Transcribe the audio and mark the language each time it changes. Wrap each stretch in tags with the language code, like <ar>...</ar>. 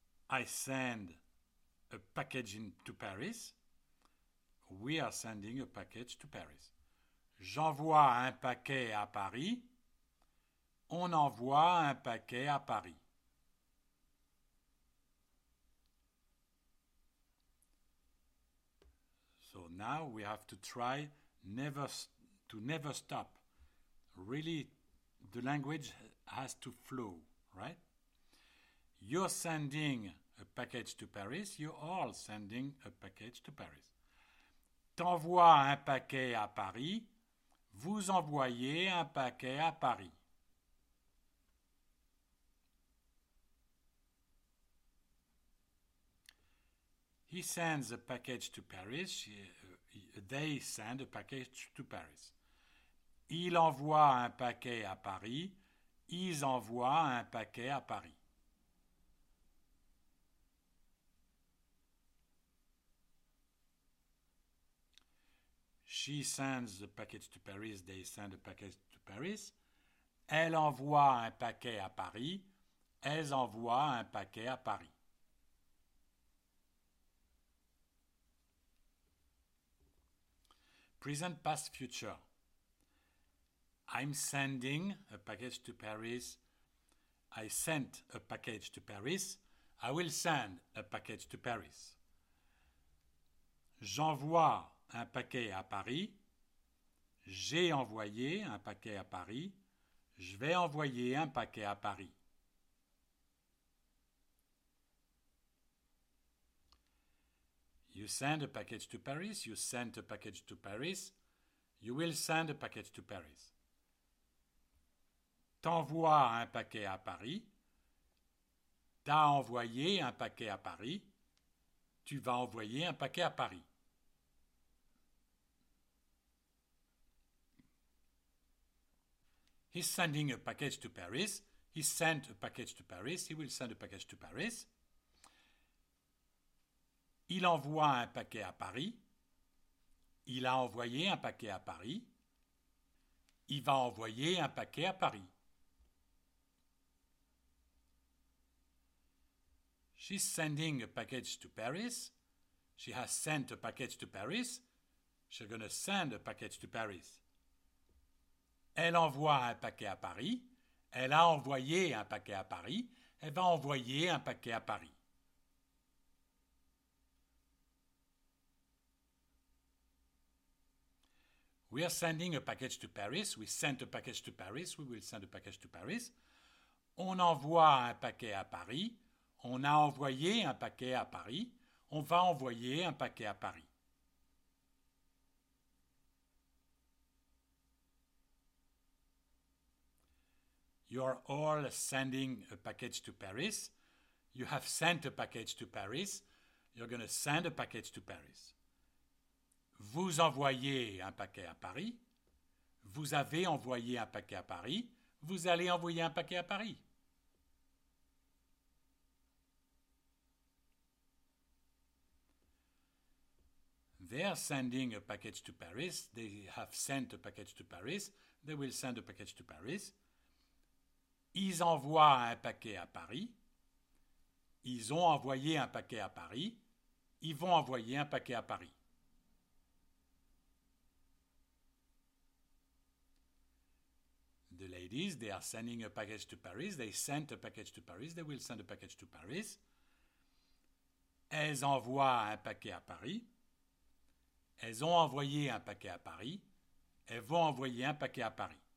<en>I send a package to Paris. We are sending a package to Paris.</en> <fr>J'envoie un paquet à Paris. On envoie un paquet à Paris.</fr> <en>So now we have to try never stop. Really, the language has to flow, right? You're sending a package to Paris. You're all sending a package to Paris.</en> <fr>T'envoies un paquet à Paris. Vous envoyez un paquet à Paris.</fr> <en>He sends a package to Paris. They send a package to Paris.</en> <fr>Il envoie un paquet à Paris. Ils envoient un paquet à Paris.</fr> <en>She sends the package to Paris. They send the package to Paris.</en> <fr>Elle envoie un paquet à Paris. Elles envoient un paquet à Paris.</fr> <en>Present, past, future. I'm sending a package to Paris. I sent a package to Paris. I will send a package to Paris.</en> <fr>J'envoie un paquet à Paris. J'ai envoyé un paquet à Paris. Je vais envoyer un paquet à Paris.</fr> <en>You send a package to Paris. You sent a package to Paris. You will send a package to Paris.</en> <fr>T'envoies un paquet à Paris. T'as envoyé un paquet à Paris. Tu vas envoyer un paquet à Paris.</fr> <en>He's sending a package to Paris. He sent a package to Paris. He will send a package to Paris.</en> <fr>Il envoie un paquet à Paris. Il a envoyé un paquet à Paris. Il va envoyer un paquet à Paris.</fr> <en>She's sending a package to Paris. She has sent a package to Paris. She's going to send a package to Paris.</en> <fr>Elle envoie un paquet à Paris. Elle a envoyé un paquet à Paris. Elle va envoyer un paquet à Paris.</fr> <en>We are sending a package to Paris. We sent a package to Paris. We will send a package to Paris.</en> <fr>On envoie un paquet à Paris. On a envoyé un paquet à Paris. On va envoyer un paquet à Paris.</fr> <en>You are all sending a package to Paris. You have sent a package to Paris. You're going to send a package to Paris.</en> <fr>Vous envoyez un paquet à Paris. Vous avez envoyé un paquet à Paris. Vous allez envoyer un paquet à Paris.</fr> <en>They are sending a package to Paris. They have sent a package to Paris. They will send a package to Paris.</en> <fr>Ils envoient un paquet à Paris. Ils ont envoyé un paquet à Paris. Ils vont envoyer un paquet à Paris.</fr> <en>The ladies, they are sending a package to Paris. They sent a package to Paris. They will send a package to Paris.</en> <fr>Elles envoient un paquet à Paris. Elles ont envoyé un paquet à Paris. Elles vont envoyer un paquet à Paris.</fr>